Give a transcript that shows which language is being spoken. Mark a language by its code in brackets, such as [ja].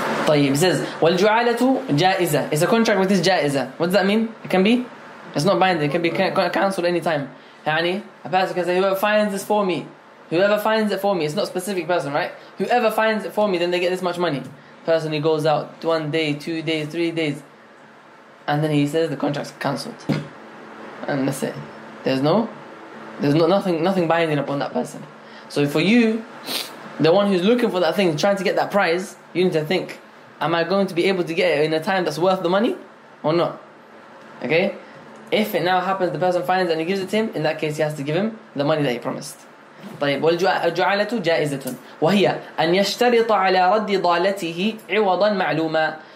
[ar] طيب, [en] it says, [ar] والجعالة جائزة. [en] It's a contract with this جائزة. What does that mean? It can be? It's not binding. It can be cancelled anytime. يعني, a person can say, whoever finds this for me, whoever finds it for me, it's not a specific person, right? Whoever finds it for me, then they get this much money. Person, he goes out 1 day, 2 days, 3 days, and then he says the contract's cancelled. And that's it. There's nothing binding upon that person. So for you, the one who's looking for that thing, trying to get that prize, you need to think, am I going to be able to get it in a time that's worth the money or not? Okay? If it now happens, the person finds it and he gives it to him, in that case he has to give him the money that he promised. [ar] طيب, والجعالة جائزة وهي أن يشترط على رد ضالته عوضا معلوما.